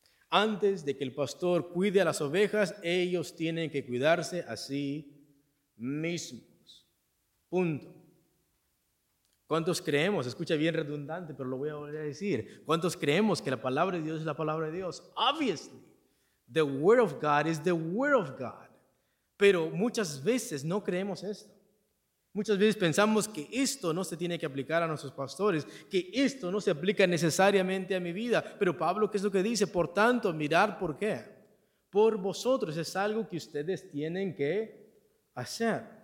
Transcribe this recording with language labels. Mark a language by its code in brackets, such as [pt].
[es] Antes de que el pastor cuide a las ovejas, ellos tienen que cuidarse a sí mismos. Punto. ¿Cuántos creemos? Escucha bien redundante, pero lo voy a volver a decir. ¿Cuántos creemos que la palabra de Dios es la palabra de Dios? [en] Obviously, the word of God is the word of God. [es] Pero muchas veces no creemos esto. Muchas veces pensamos que esto no se tiene que aplicar a nuestros pastores, que esto no se aplica necesariamente a mi vida. Pero Pablo, ¿qué es lo que dice? Por tanto, mirar por qué. Por vosotros es algo que ustedes tienen que hacer.